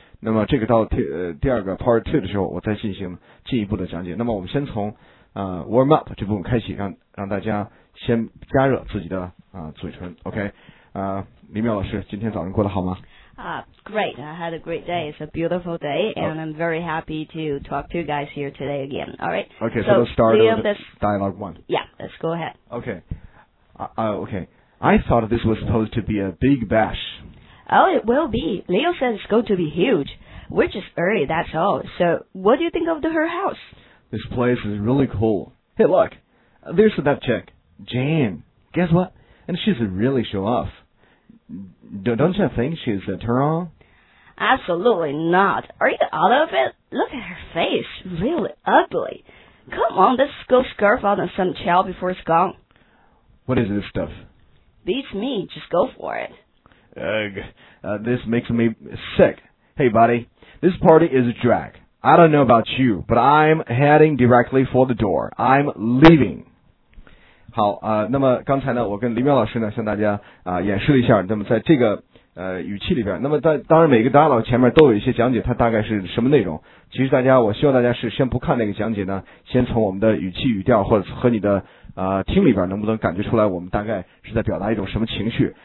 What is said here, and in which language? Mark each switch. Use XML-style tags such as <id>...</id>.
<zh>那么这个到第二个 part 2的时候我再进一步的讲解。那么我们先从warm up 这部分开启，让大家先加热自己的嘴唇。 OK， 李淼老师今天早上过得好吗？</zh> <en>Great. I had a great day. It's a beautiful day, and I'm very happy to talk to you guys here today again. All right. Okay, so let's start with dialogue one. Yeah, let's go ahead. Okay. I thought this was supposed to be a big bash. Oh, it will be. Leo said it's going to be huge. We're just early, that's all. So what do you think of her house? This place is really cool. Hey, look. There's that chick, Jane. Guess what? And she's really show off. Don't you think she's a turn-on? Absolutely not. Are you out of it? Look at her face. Really ugly. Come on, let's go scarf on some chow before it's gone. What is this stuff? Beats me. Just go for it. Ugh. This makes me sick. Hey, buddy. This party is a drag. I don't know about you, but I'm heading directly for the door. I'm leaving.</en> <zh>好那么刚才呢我跟李淼老师呢向大家演示了一下，那么在这个语气里边，那么当然每个大佬前面都有一些讲解它大概是什么内容。其实大家我希望大家是先不看那个讲解呢，先从我们的语气语调或者和你的听里边能不能感觉出来我们大概是在表达一种什么情绪。</zh>